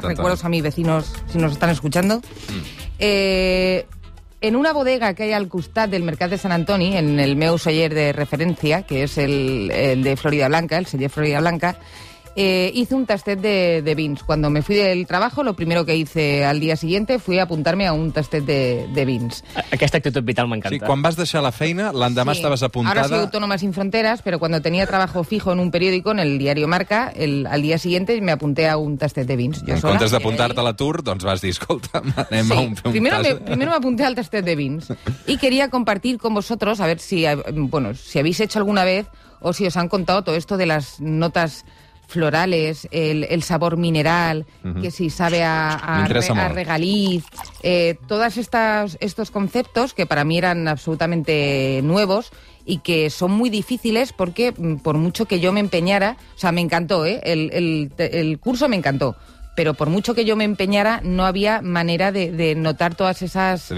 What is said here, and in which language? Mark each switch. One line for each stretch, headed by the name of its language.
Spanish: recuerdos a mis vecinos si nos están escuchando. En una bodega que hay
Catalan: al costat del mercat de Sant Antoni, en el meu celler de referència, que és el de Florida Blanca, el celler Florida Blanca,
Spanish: hice
Catalan: un tastet de vins.
Spanish: Cuando me fui del trabajo, lo primero que hice al día siguiente fue apuntarme a un tastet de vins.
Catalan: Aquesta actitud vital m'encanta. Sí, quan vas deixar la feina, l'endemà estaves apuntada...
Spanish: Ahora soy autónoma sin fronteras, pero cuando tenía trabajo fijo en un periódico, en el diario Marca, al día siguiente me apunté a un tastet de vins.
Catalan: En comptes d'apuntar-te a l'atur, doncs vas dir, escolta, anem a un tastet.
Spanish: Primero me apunté al tastet de vins. Y quería compartir con vosotros, a ver si, bueno, si habéis hecho alguna vez o si os han contado todo esto de las notas florales, el sabor mineral, que si sabe a regaliz, todas estos conceptos que para mí eran absolutamente nuevos y que son muy difíciles porque por mucho que yo me empeñara, o sea, me encantó, el curso me encantó, pero por mucho que yo me empeñara, no había manera de notar todas esas